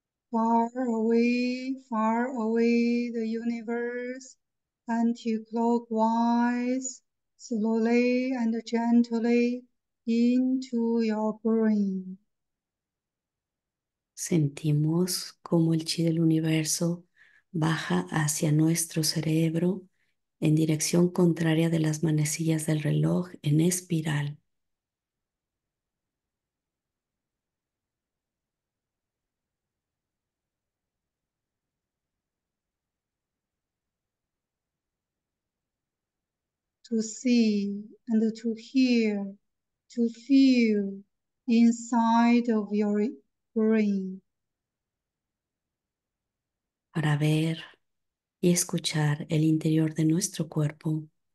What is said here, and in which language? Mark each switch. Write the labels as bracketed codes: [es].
[en] Far away the universe, anti-clockwise, slowly and gently into your brain. [es] Sentimos cómo el chi del universo baja hacia nuestro cerebro en dirección contraria de las manecillas del reloj en espiral. [en] To see and to hear, to feel inside of your brain. [es] Para ver y escuchar el interior de nuestro cuerpo.